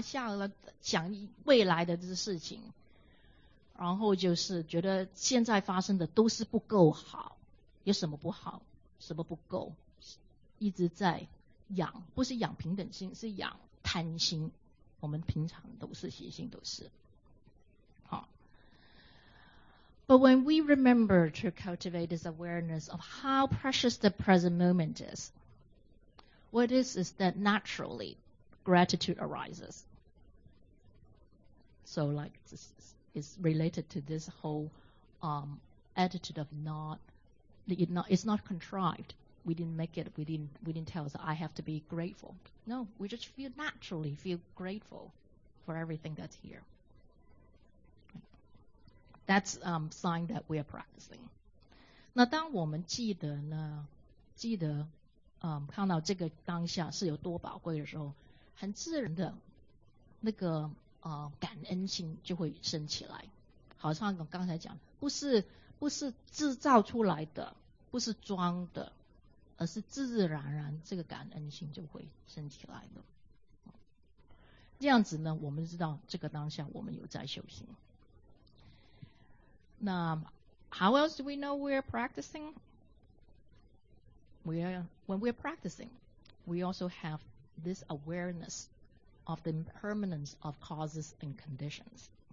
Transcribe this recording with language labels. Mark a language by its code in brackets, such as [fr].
[zh] 下了想未来的这事情，然后就是觉得现在发生的都是不够好。有什么不好，什么不够，一直在养，不是养平等心，是养贪心。我们平常都是习性都是好。 [en] But when we remember to cultivate this awareness of how precious the present moment is, what is that naturally gratitude arises. So like this is related to this whole attitude of it's not contrived. We didn't tell us I have to be grateful. No, we just naturally feel grateful for everything that's here. That's sign that we are practicing. [zh] 那当我们记得呢，记得看到这个当下是有多宝贵的时候，很自然的那个感恩心就会升起来。好像我刚才讲，不是制造出来的，不是装的，而是自自然然这个感恩心就会升起来的。这样子呢，我们知道这个当下我们有在修行。那 [en] how else do we know we're practicing? When we're practicing, we also have this awareness of the impermanence of causes and conditions.